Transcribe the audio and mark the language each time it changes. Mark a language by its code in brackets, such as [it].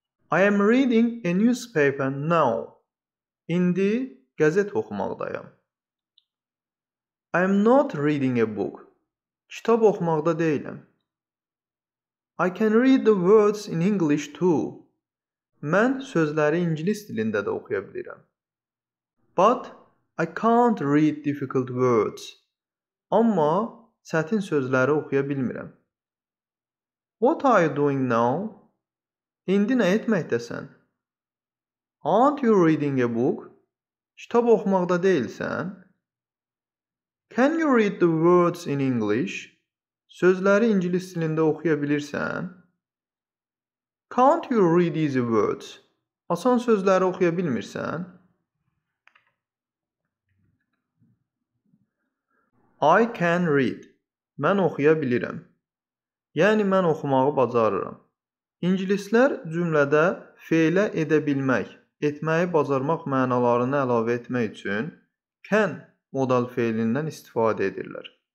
[en] I am reading a newspaper now. [az] İndi qəzet oxumaqdayam. [en] I am not reading a book. [az] Kitab oxumaqda deyiləm. [en] I can read the words in English too. [az] Mən sözləri ingilis dilində də oxuya bilirəm. [en] But I can't read difficult words. [az] Amma çətin sözləri oxuya bilmirəm. [en] What are you doing now? [az] İndi nə etməkdəsən? [en] Aren't you reading a book? [az] Kitab oxumaqda deyilsən? [en] Can you read the words in English? [az] Sözləri ingilis dilində oxuya bilirsən? [en] Can't you read easy words? [az] Asan sözləri oxuya bilmirsən? [en] I can read. [az] Mən oxuya bilirəm. Yəni, mən oxumağı bacarıram. İngilislər cümlədə feilə edə bilmək, etməyi bacarmaq mənalarını əlavə etmək üçün can modal feilindən istifadə edirlər.